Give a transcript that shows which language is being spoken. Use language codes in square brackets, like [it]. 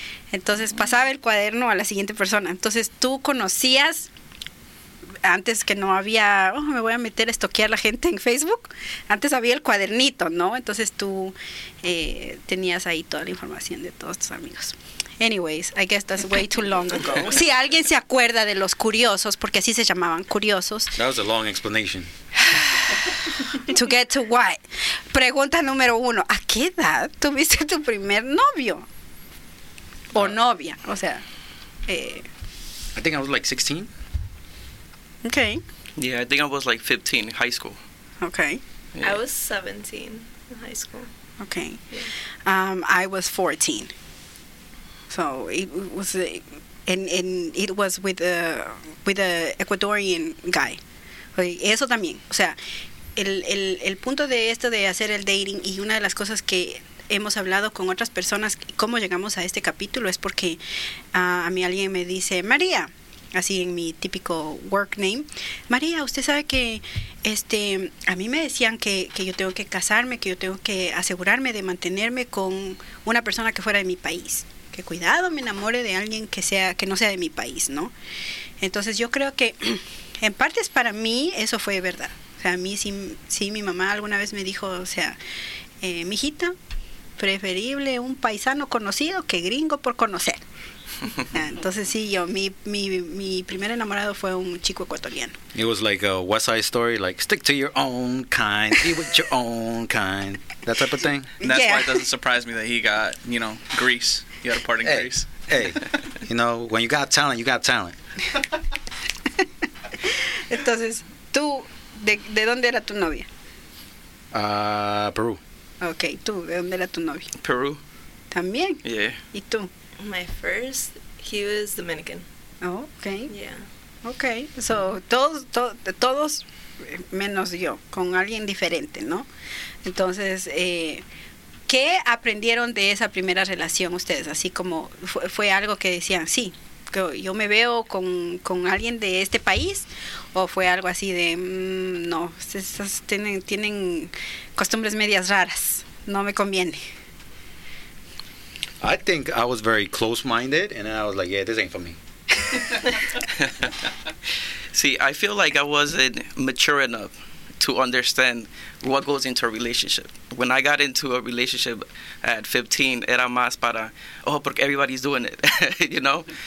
[es] Entonces pasaba el cuaderno a la siguiente persona. Entonces tú conocías antes que no había, oh, me voy a meter a estoquear la gente en Facebook, antes había el cuadernito, ¿no? Entonces tú tenías ahí toda la información de todos tus amigos. [en] Anyways, I guess that's way too long ago. [es] Si alguien se acuerda de los curiosos, porque así se llamaban, curiosos. [en] That was a long explanation. To get to what? [es] Pregunta número uno. ¿A qué edad tuviste tu primer novio? O novia, o sea. [en] I think I was like 16. Okay. Yeah, I think I was like 15 in high school. Okay. Yeah. I was 17 in high school. Okay. Yeah. I was 14. So it was, and it was with a Ecuadorian guy. [es] Eso también. O sea, el punto de esto de hacer el dating y una de las cosas que hemos hablado con otras personas, cómo llegamos a este capítulo, es porque a mí alguien me dice, María, así en mi típico work name, María, usted sabe que a mí me decían que yo tengo que casarme, que yo tengo que asegurarme de mantenerme con una persona que fuera de mi país. Que cuidado me enamore de alguien que no sea de mi país, ¿no? Entonces yo creo que en partes para mí eso fue verdad. O sea, a mí sí mi mamá alguna vez me dijo, o sea, mijita, preferible un paisano conocido que gringo por conocer. Entonces sí, yo mi primer enamorado fue un chico ecuatoriano. [en] It was like a West Side Story, like stick to your own kind, be with your own kind, that type of thing. And that's why it doesn't surprise me that he got, you know, Greece. You got a part in Greece. Hey, you know, when you got talent, you got talent. [es] Entonces, tú, ¿de dónde era tu novia? Peru. Okay, tú, ¿de dónde era tu novia? Peru. ¿También? [en] Yeah. [es] ¿Y tú? [en] My first, he was Dominican. Oh, okay. Yeah. Okay, so [es] todos menos yo, con alguien diferente, ¿no? Entonces, ¿qué aprendieron de esa primera relación ustedes? Así como fue algo que decían, sí, yo me veo con alguien de este país, o fue algo así de, no, ustedes tienen costumbres medias raras, no me conviene. [en] I think I was very close-minded, and I was like, yeah, this ain't for me. See, I feel like I wasn't mature enough to understand what goes into a relationship. When I got into a relationship at 15, [es] era más para, oh, porque [en] everybody's doing it, you know?